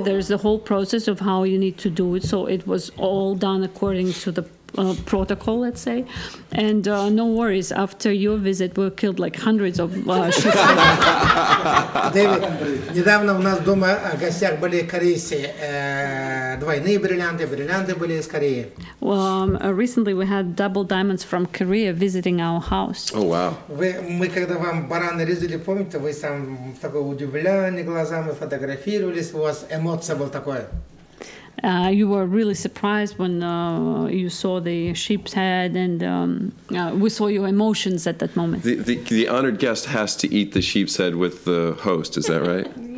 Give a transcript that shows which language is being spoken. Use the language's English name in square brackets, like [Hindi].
[English] There's the whole process of how you need to do it. So it was all done according to the protocol, let's say, and no worries. After your visit, we killed like hundreds of sheep. [Russian] David, недавно у нас дома гостях были корейцы, двойные бриллианты были из Кореи. [English] Recently we had double diamonds from Korea visiting our house. Oh wow! [Russian] Мы когда вам бараны резали, помните, вы сам такой удивлены глазами фотографировались, у вас эмоция была такая. [English] You were really surprised when you saw the sheep's head, and we saw your emotions at that moment. The honored guest has to eat the sheep's head with the host, is that right?